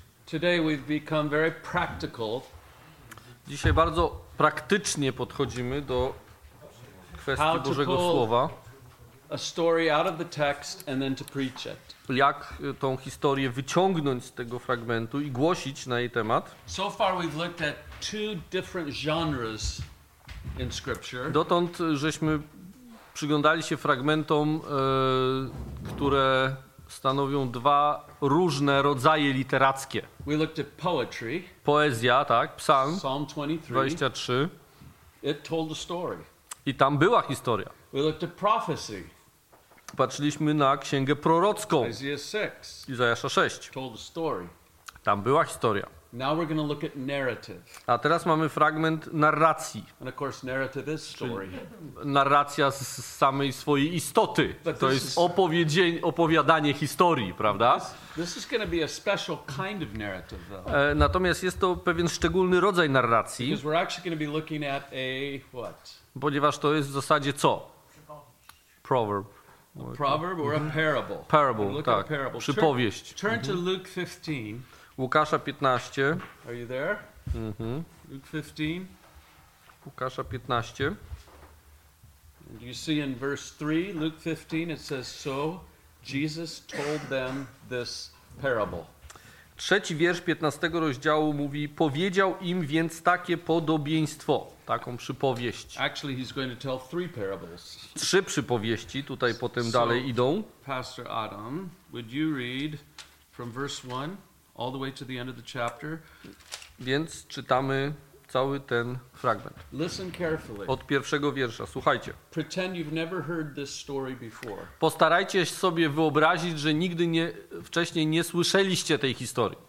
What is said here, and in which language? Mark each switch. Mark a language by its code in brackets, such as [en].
[en] Today we've become very practical. [pl] Dzisiaj bardzo praktycznie podchodzimy do kwestii Bożego słowa. [en] A story out of the text and then to preach it. [pl] Jak tą historię wyciągnąć z tego fragmentu i głosić na jej temat? [en] So far we've looked at two different genres in scripture. [pl] Dotąd żeśmy przyglądali się fragmentom, które stanowią dwa różne rodzaje literackie. [en] We looked at poetry. [pl] Poezja, tak, psalm. [en] Psalm 23. It told a story. [pl] I tam była historia. [en] We looked at prophecy. [pl] Patrzyliśmy na księgę prorocką. Izajasza 6. [en] Told a story. [pl] Tam była historia. [en] Now we're going to look at narrative. [pl] A teraz mamy fragment narracji. [en] And of course, narrative is story. [pl] Narracja z samej swojej istoty. To jest opowiadanie historii, prawda? [en] This is going to be a special kind of narrative, though. [pl] Natomiast jest to pewien szczególny rodzaj narracji. [en] Because we're actually going to be looking at a what? [pl] Ponieważ to jest w zasadzie co? [en] Proverb. A proverb or a parable? Parable, we'll tak. Parable. Przypowieść. Turn to Luke 15. [pl] Łukasza 15. [en] Are you there? Luke 15. [pl] Łukasza 15. [en] And you see in verse 3, Luke 15, it says, so Jesus told them this parable. [pl] Trzeci wiersz 15 rozdziału mówi, powiedział im więc takie podobieństwo, taką przypowieść. [en] Actually, he's going to tell three parables. [pl] Trzy przypowieści tutaj potem dalej idą. [en] Pastor Adam, would you read from verse 1? All the way to the end of the chapter. [pl] Więc czytamy cały ten fragment. [en] Listen carefully. [pl] Od pierwszego wiersza, słuchajcie. [en] Pretend you've never heard this story before. [pl] Postarajcie sobie wyobrazić, że nigdy nie, wcześniej nie słyszeliście tej historii.